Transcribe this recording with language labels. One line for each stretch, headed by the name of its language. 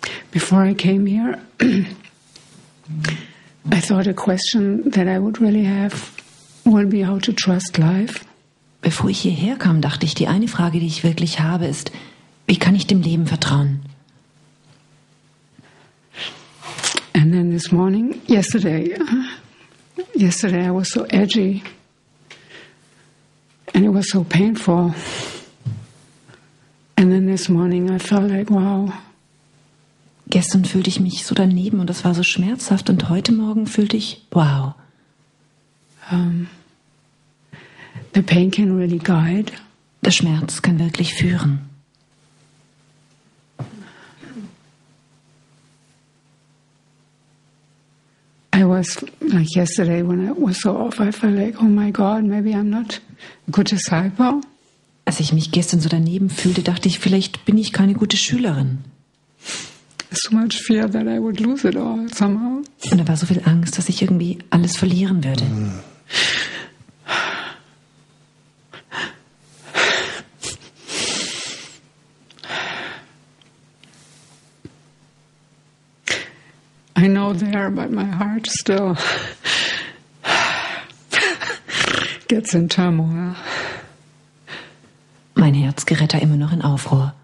English: Before I came here, I thought a question that I would really have would be how to trust life.
German: Bevor ich hierher kam, dachte ich, die eine Frage, die ich wirklich habe, ist, wie kann ich dem Leben vertrauen?
English: And then this morning, yesterday I was so edgy and it was so painful. And then this morning I felt like, wow.
German: Gestern fühlte ich mich so daneben und das war so schmerzhaft und heute Morgen fühlte ich, wow.
English: The pain can really guide.
German: Der Schmerz kann wirklich führen.
English: I was like yesterday when I was so off, I felt like, oh my God, maybe I'm not a good disciple.
German: Als ich mich gestern so daneben fühlte, dachte ich, vielleicht bin ich keine gute Schülerin.
English: So much fear that I would lose it all somehow.
German: Und da war so viel Angst, dass ich irgendwie alles verlieren würde.
English: I know there, but my heart still gets in turmoil.
German: Mein Herz gerät da immer noch in Aufruhr.